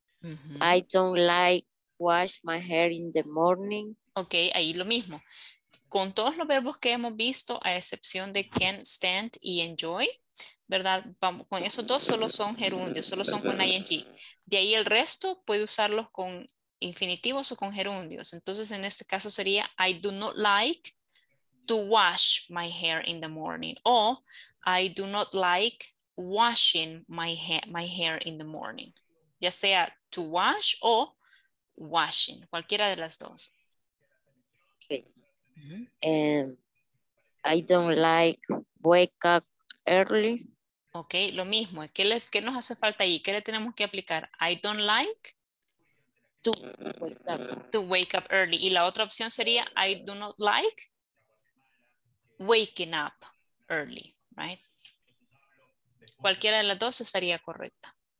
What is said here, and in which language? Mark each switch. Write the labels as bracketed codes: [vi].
[en] Uh-huh. I don't like wash my hair in the morning. [es] Okay, ahí lo mismo. Con todos los verbos que hemos visto, a excepción de can, stand y enjoy, ¿verdad? Vamos, con esos dos solo son gerundios, solo son con ing. De ahí el resto puede usarlos con infinitivos o con gerundios. Entonces, en este caso sería, [en] I do not like to wash my hair in the morning. O, I do not like washing my hair in the morning. [es] Ya sea to wash o washing, cualquiera de las dos. [en] Mm-hmm. And I don't like wake up early. [es] Ok, lo mismo. ¿Qué nos hace falta ahí? ¿Qué le tenemos que aplicar? [en] I don't like to wake up early. [es] Y la otra opción sería [en] I do not like waking up early, right? [es] Cualquiera de las dos estaría correcta.